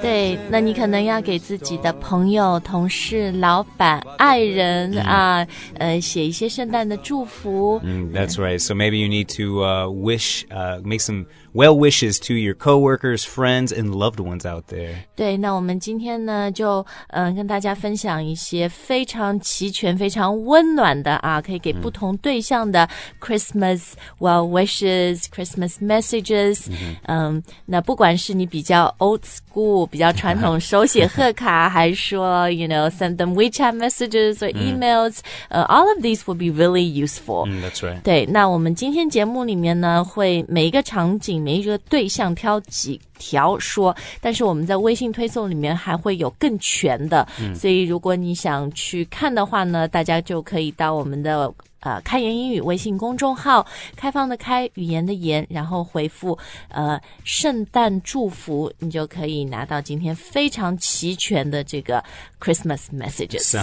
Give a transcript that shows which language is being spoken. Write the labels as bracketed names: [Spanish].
[Chinese] 对，那你可能要给自己的朋友、同事、老板、爱人啊，写一些圣诞的祝福。 [English] That's right. So maybe you need to make some well wishes to your coworkers, friends, and loved ones out there. [Chinese] 对，那我们今天呢，就跟大家分享一些非常齐全、非常温暖的啊，可以给不同对象的 [English] Christmas well wishes, Christmas messages. [Chinese] 那不管是你比较 [English] old school。 [Chinese] 比较传统手写贺卡还说 [English] you know, send them WeChat messages or emails, all of these will be really useful. That's right. [Chinese] 对，那我们今天节目里面呢会每一个场景每一个对象挑几条说，但是我们在微信推送里面还会有更全的，所以如果你想去看的话呢，大家就可以到我们的开言英语微信公众号，开放的开，语言的言，然后回复圣诞祝福，你就可以拿到今天非常齐全的这个 [English] Christmas messages.